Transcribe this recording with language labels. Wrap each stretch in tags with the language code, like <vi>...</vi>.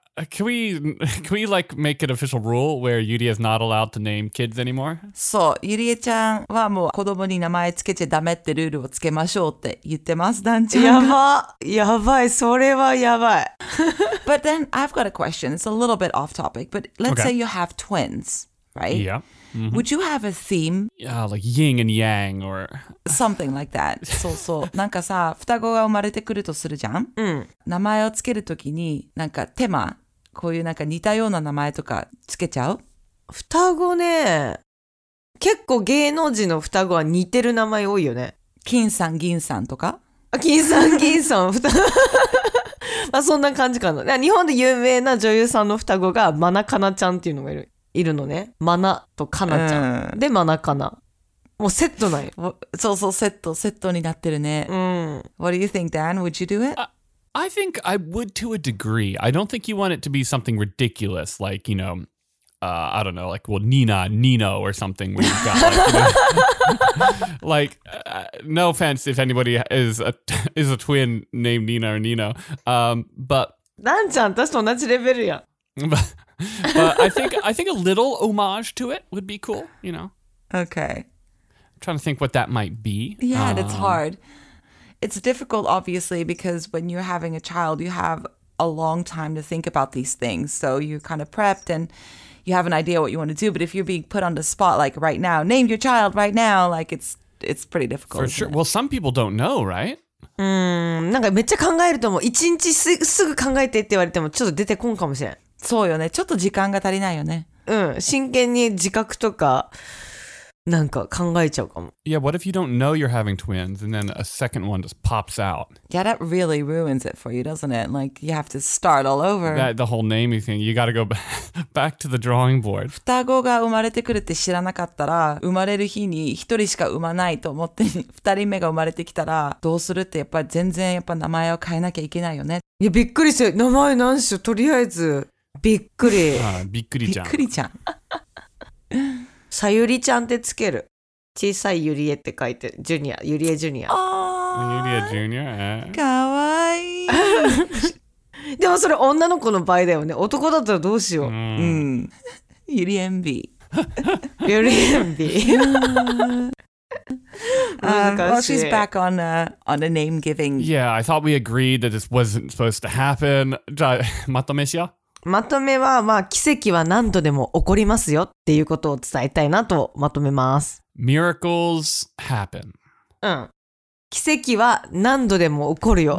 <en>Can we like make an official rule where Yurie is not allowed to name kids anymore?</en> <ja>そう、ゆりえちゃんはもう子供に名前つけちゃダメってルールをつけましょうって言ってます、団長。やば、やばい、それはやばい。</ja> <en>But then I've got a question. It's a little bit off topic, but let's say you have twins, right? Yeah. Mm-hmm. Would you have a theme? Yeah, like yin and yang or something like that.</en> <ja>そうそう。なんかさ、双子が生まれてくるとするじゃん。うん。名前をつけるときに、なんかテマ、こういうなんか似たような名前とかつけちゃう？双子ね、結構芸能人の双子は似てる名前多いよね。金さん、銀さんとか？あ、金さん、銀さん、双子。まあそんな感じかな。日本で有名な女優さんの双子がマナカナちゃんっていうのがいる。いるのね。マナとカナちゃん、うん、でマナカナ、もうセットない。そうそう、セットになってるね。うん。</ja> <en>What do you think, Dan? Would you do it? I think I would to a degree. I don't think you want it to be something ridiculous, like, you know, I don't know, like, well, Nina, Nino, or something. Where you've got, like, you know, like no offense if anybody is a twin named Nina or Nino, but.</en> <ja>Dan ちゃん、私と同じレベルや。</ja> <en>But I think a little homage to it would be cool, you know. Okay. I'm trying to think what that might be. Yeah, it's hard. It's difficult, obviously, because when you're having a child, you have a long time to think about these things. So you're kind of prepped and you have an idea what you want to do. But if you're being put on the spot, like right now, name your child right now, like it's pretty difficult. For sure. Well, some people don't know, right?</en> <ja>なんかめっちゃ考えると思う。一日すぐ考えてって言われてもちょっと出てこんかもしれん。そうよね、ちょっと時間が足りないよね。うん、真剣に自覚とかなんか考えちゃうかも。</ja> <en>Yeah, what if you don't know you're having twins and then a second one just pops out? Yeah, that really ruins it for you, doesn't it? Like, you have to start all over. The whole naming thing, you gotta go back to the drawing board.</en> <ja>双子が生まれてくるって知らなかったら、生まれる日に一人しか産まないと思って二人目が生まれてきたらどうするって、やっぱ全然やっぱ名前を変えなきゃいけないよね。いや、びっくりして、名前なんしよ、とりあえずびっくり。びっくりちゃん。びっくりちゃん。さゆりちゃんってつける。小さいゆりえって書いて、ジュニア、ゆりえジュニア。あ、ゆりえジュニア、かわいい。でもそれ女の子の場合だよね。男だったらどうしよう。ゆりえんび。ゆりえんび。</ja> <en>Well, she's back on a name giving. Yeah, I thought we agreed that this wasn't supposed to happen.</en> <ja>まとめしよ。まとめは、まあ、奇跡は何度でも起こりますよっていうことを伝えたいなとまとめます。</ja> <en>Miracles happen.</en> <ja>うん。奇跡は何度でも起こるよ。</ja>